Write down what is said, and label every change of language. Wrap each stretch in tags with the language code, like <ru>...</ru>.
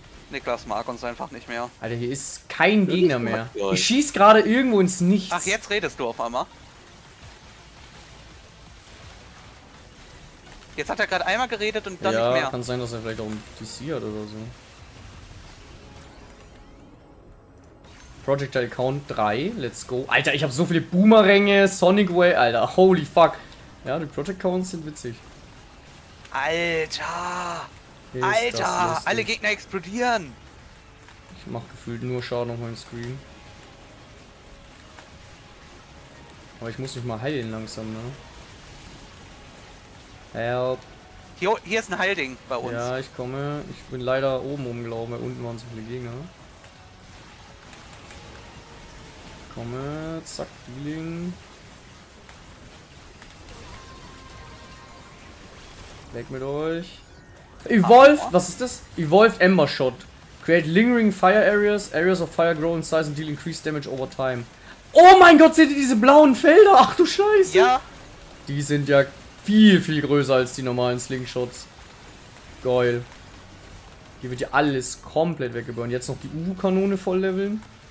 <de>Niklas mag uns einfach nicht mehr. Alter, hier ist kein Gegner mehr. Ich schieß gerade irgendwo ins Nichts. Ach, jetzt redest du auf einmal. Jetzt hat er gerade einmal geredet und dann nicht mehr. Kann sein, dass er vielleicht auch ein DC hat oder so.</de> <en>Projectile Count 3, let's go.</en> <de>Alter, ich habe so viele Boomeränge, Sonic Way, Alter,</de> <en>holy fuck.</en> <de>Ja, die Project Counts sind witzig. Alter! Ist Alter! Alle Gegner explodieren! Ich mach gefühlt nur Schaden auf meinem Screen. Aber ich muss mich mal heilen langsam, ne?</de> <en>Help!</en> <de>Hier ist ein Heilding bei uns. Ja, ich komme. Ich bin leider oben umgelaufen, weil unten waren so viele Gegner. Komme, zack, Healing. Weg mit euch. Evolved, was ist das? Evolved Ember Shot.</de> <en>Create lingering fire areas. Areas of fire grow in size and deal increased damage over time.</en> <de>Oh mein Gott, seht ihr diese blauen Felder? Ach du Scheiße. Ja. Die sind ja viel, viel größer als die normalen Slingshots. Geil. Hier wird ja alles komplett weggeburnt. Jetzt noch die UU-Kanone voll leveln.</de>